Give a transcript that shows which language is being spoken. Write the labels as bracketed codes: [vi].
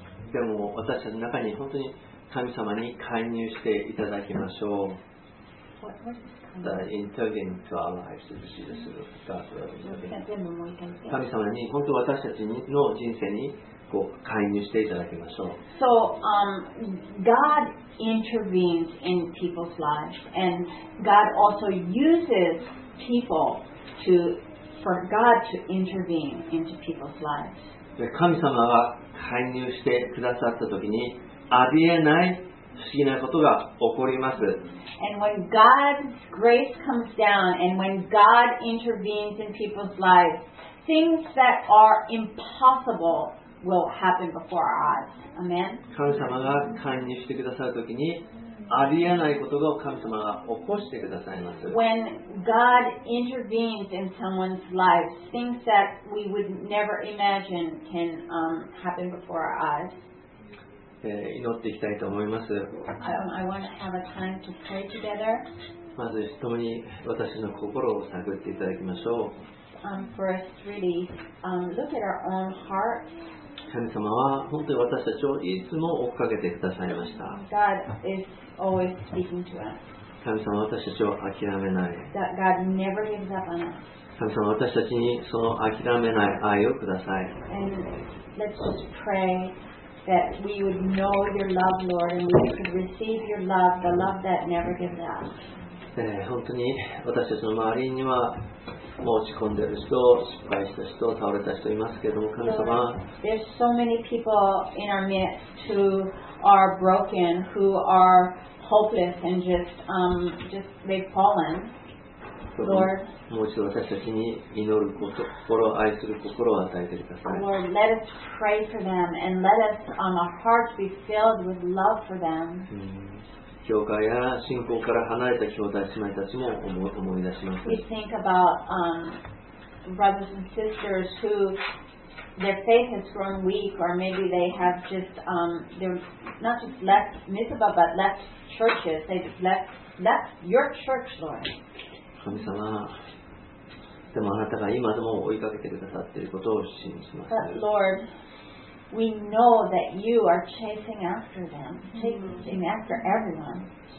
[ja] でも私たちの中に本当に神様に介入していただきましょう。神様に本当私たちの人生にこう介入していただきましょう。 [en] So, God intervenes in people's lives, and God also uses people to, for God to intervene into people's lives. [ja] 神様が介入してくださったときに、ありえない不思議なことが起こります。 [en] And when God's grace comes down, and when God intervenes in people's lives, things that are impossible will happen before our eyes. Amen. [ja] 神様が介入してくださるときに、ありえないことが神様が起こしてくださいます。 [en] When God intervenes in someone's life, things that we would never imagine can happen before our eyes. [ja] 祈っていきたいと思います。 [en] I want to have a time to pray together. [ja] まず共に私の心を探っていただきましょう。 [en] First, really, look at our own hearts. [ja] 神様は本当に私たちをいつも追っかけてくださいました。 [en] God is always speaking to us. [ja] 神様は私たちを諦めない。 [en] That God never gives up on us. [ja] 神様は私たちにその諦めない愛をください。 [en] And let's just pray. That we would know your love, Lord, and we could receive your love, the love that never gives up. [ja] 本当に私たちの周りには落ち込んでいる人、失敗した人、倒れた人いますけれども、神様。 [en] There's so many people in our midst who are broken, who are hopeless, and just they've fallen. Lord, [ja] もう一度私たちに祈る心、愛する心を与えてください。 [en] Lord, let us pray for them and let us, our hearts be filled with love for them. [ja] 教会や信仰から離れた兄弟姉妹たちも思い出します。 [en] We think about, brothers and sisters who their faith has grown weak or maybe they have just, they're not just left Mizpah but left churches. They've left your church, Lord. [ja] 神様、でもあなたが今でも追いかけてくださっていることを信じます。 [en] But Lord, we know that you are chasing after them, chasing after everyone.